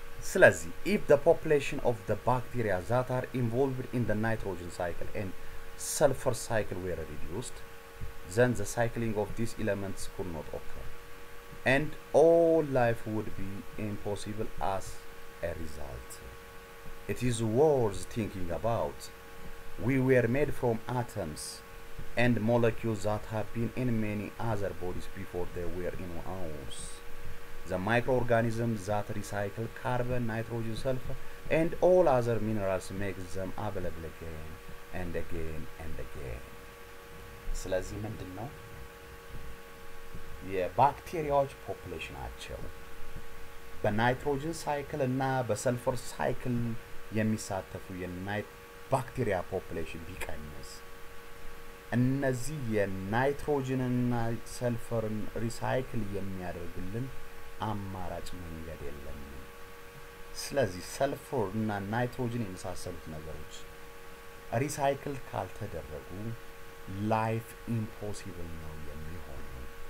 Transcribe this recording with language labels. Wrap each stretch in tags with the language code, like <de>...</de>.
<am>ስለዚህ</am> <en>if the population of the bacteria that are involved in the nitrogen cycle and sulfur cycle were reduced, then the cycling of these elements could not occur. And all life would be impossible as a result. It is worth thinking about. We were made from atoms and molecules that have been in many other bodies before they were in ours. The microorganisms that recycle carbon, nitrogen, sulfur, and all other minerals make them available again and again and again.</en> <am>ስለዚህ ምንድነው? የባክቴሪያዎች population አቸው በnitrogen cycle እና በsulfur cycle የሚሳተፉ የባክቴሪያ population ቢቀንስ እነዚህ የናይትሮጅን እና ሰልፈርን ሪሳይክል የሚያደርግልን አማራጭ መንገድ የለም። ስለዚህ ሰልፈር እና ናይትሮጅን የሚሳሰሉት ነገሮች ሪሳይክል ካልተደረጉ ላይፍ ኢምፖሲብል ነው የሚሆነው።</am>